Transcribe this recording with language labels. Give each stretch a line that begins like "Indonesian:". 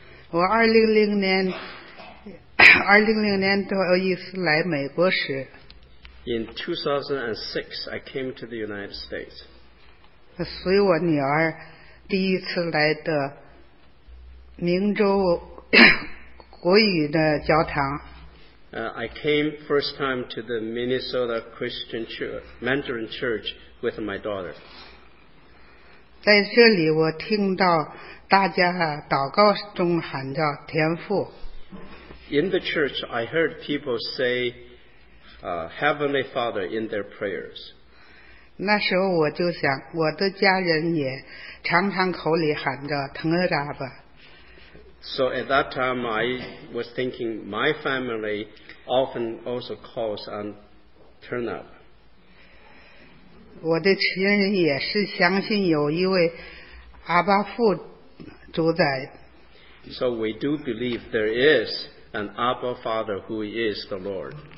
Chinese: 我二零零年都有一次来美国时。
English: In 2006, I came to the United States.
Chinese: 随我女儿第一次来的明州国语的教堂。
English: I came first time to the Minnesota Christian Church, Mandarin Church with my daughter.
Chinese: 在这里我听到大家祷告中喊叫天父。
English: In the church, I heard people say, Heavenly Father in their prayers.
Chinese: 那时候我就想，我的家人也常常口里喊着腾个喇叭。
English: So at that time, I was thinking my family often also calls on turn up.
Chinese: 我的亲人也是相信有一位阿巴父主宰。
English: So we do believe there is an Abba Father who is the Lord.